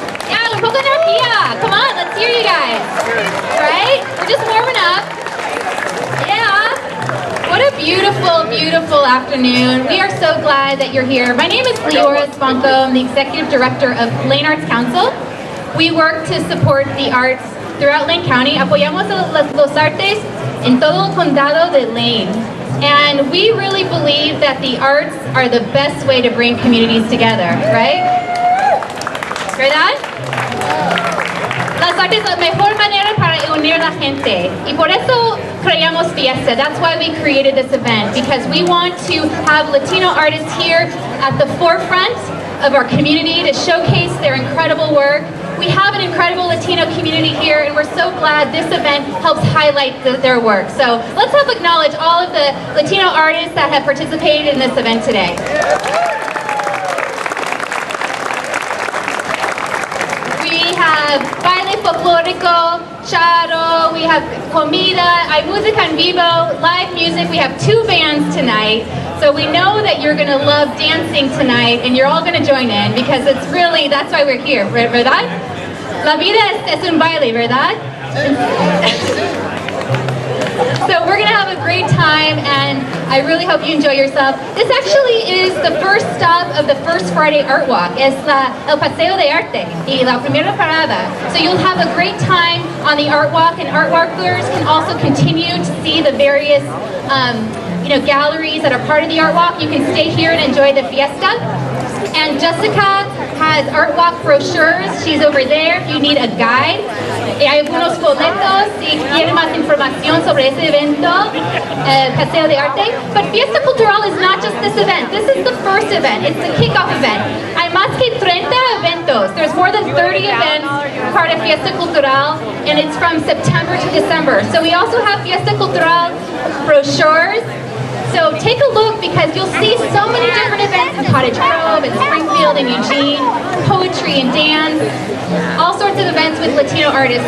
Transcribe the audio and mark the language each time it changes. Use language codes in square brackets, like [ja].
[en] Yeah, [es] un poco de energía. [en] Come on, let's hear you guys. Right? We're just warming up. What a beautiful, beautiful afternoon. We are so glad that you're here. My name is Leora Sponco. I'm the Executive Director of Lane Arts Council. We work to support the arts throughout Lane County. [es] Apoyamos los artes en todo el condado de Lane. [en] And we really believe that the arts are the best way to bring communities together, right? [es] ¿Verdad? Las artes son la mejor manera para unir a la gente. Y por eso creamos Fiesta. [en] That's why we created this event, because we want to have Latino artists here at the forefront of our community to showcase their incredible work. We have an incredible Latino community here, and we're so glad this event helps highlight their work. So let's help acknowledge all of the Latino artists that have participated in this event today. [es] Baile folklorico, charo, [en] we have [es] comida, hay música en vivo, [en] live music. We have two bands tonight, so we know that you're going to love dancing tonight, and you're all going to join in, because it's really, that's why we're here, ¿verdad? [es] La vida es un baile, ¿verdad? [en] So we're going to have a great time, and I really hope you enjoy yourself. This actually is the first stop of the First Friday Art Walk. [es] Es la, el Paseo de Arte y la primera parada. [en] So you'll have a great time on the Art Walk, and art walkers can also continue to see the various galleries that are part of the Art Walk. You can stay here and enjoy the fiesta. And Jessica has Art Walk brochures. She's over there if you need a guide. [es] Hay algunos boletos si quieren más información sobre ese evento, Paseo de Arte. [en] But Fiesta Cultural is not just this event. This is the first event. It's the kickoff event. [es] Hay más que 30 eventos. [en] There's more than 30 events part of Fiesta Cultural, and it's from September to December. So we also have Fiesta Cultural brochures. So take a look, because you'll see so many different events in Cottage Grove and Springfield and Eugene, poetry and dance, all sorts of events with Latino artists.